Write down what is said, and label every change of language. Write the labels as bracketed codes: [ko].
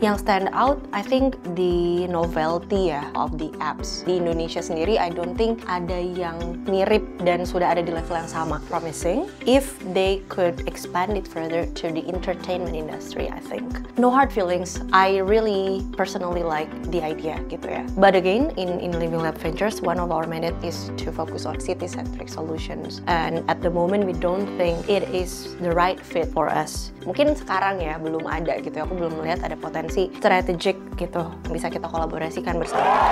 [en] Yang stand out, I think the novelty ya of the apps. [id] Di Indonesia sendiri, [en] I don't think [id] ada yang mirip dan sudah ada di level yang sama. [en] Promising. If they could expand it further to the entertainment industry, I think. No hard feelings. I really personally like the idea gitu ya. But again, in Living Lab Ventures, one of our mandate is to focus on city-centric solutions. And at the moment, we don't think it is the right fit for us. [id] Mungkin sekarang ya, belum ada gitu. Aku belum melihat ada potensi strategic gitu yang bisa kita kolaborasikan bersama.